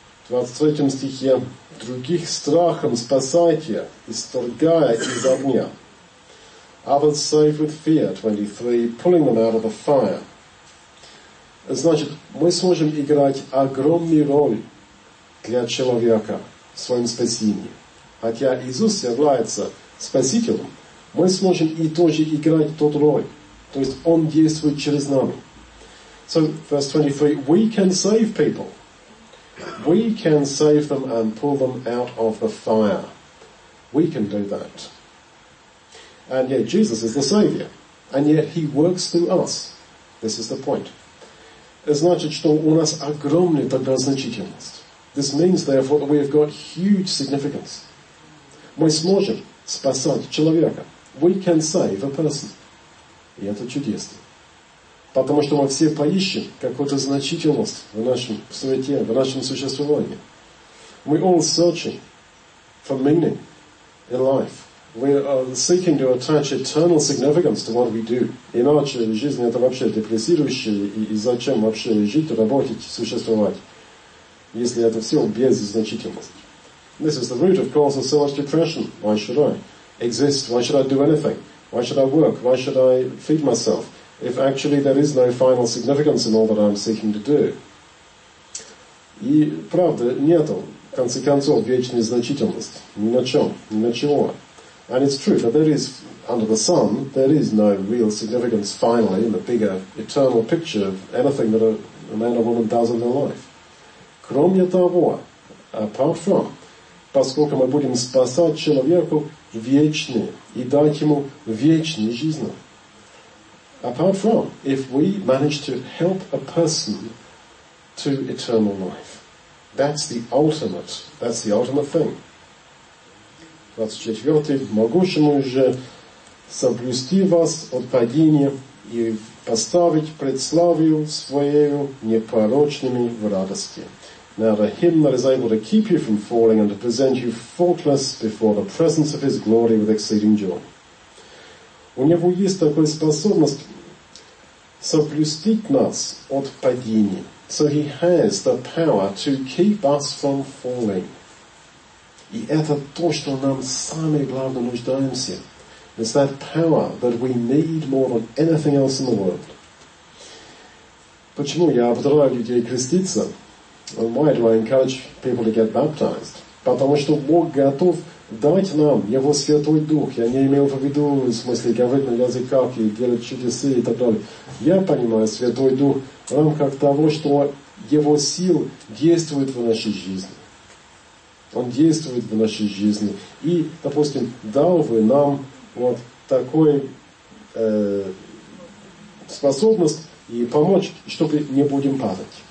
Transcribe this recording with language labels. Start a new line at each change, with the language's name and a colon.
Russian: В 23 стихе «Других страхом спасайте, исторгая из огня».
English: Others save with fear, 23, pulling them out of the fire.
Russian: Значит, мы сможем играть огромную роль для человека в своем спасении. Хотя Иисус является спасителем, мы сможем и тоже играть тот роль. То есть Он действует через нами.
English: So, verse 23, we can save people. We can save them and pull them out of the fire. We can do that. And yet Jesus is the Savior. And yet He works through us. This is the point.
Russian: Значит, что у нас огромная тогда значительность.
English: This means, therefore, that we have got huge significance.
Russian: Мы сможем спасать человека.
English: We can save a person.
Russian: И это чудесно. Потому что мы все поищем какую-то значительность в нашем свете, в нашем существовании.
English: We all searching for meaning in life. We are seeking to attach eternal significance to what we do.
Russian: Иначе жизнь это вообще депрессирующее, и зачем вообще жить, работать, существовать, если это все без значительности.
English: This is the root, of course, of so much depression. Why should I exist? Why should I do anything? Why should I work? Why should I feed myself? If actually there is no final significance in all that I'm seeking to do.
Russian: И правда, нету, в конце концов, вечной значительности. Ни на чем, ни на чего.
English: And it's true that there is, under the sun, there is no real significance finally in the bigger eternal picture of anything that a man or woman does in their life.
Russian: Кроме того,
English: apart from,
Russian: поскольку мы будем спасать человеку вечно и дать ему вечную жизнь.
English: Apart from, if we manage to help a person to eternal life, that's the ultimate thing. 24.
Russian: Могущему же соблюсти вас от падения и поставить пред славою Своею непорочными в радости.
English: Now to Him that is able to keep you from falling and to present you faultless before the presence of His glory with exceeding joy.
Russian: У Него есть такая способность соблюсти нас от падения.
English: So He has the power to keep us from falling.
Russian: И это то, что нам самое главное нуждаемся.
English: It's that power that we need more than anything else in the world.
Russian: Почему я обзываю людей креститься?
English: And why do I encourage people to get baptized?
Russian: Потому что Бог готов дать нам Его Святой Дух. Я не имел в виду, в смысле, говорить на языках и делать чудеса и так далее. Я понимаю Святой Дух в рамках того, что Его сил действует в нашей жизни. Он действует в нашей жизни. И, допустим, дал бы нам вот такой способность и помочь, чтобы не будем падать.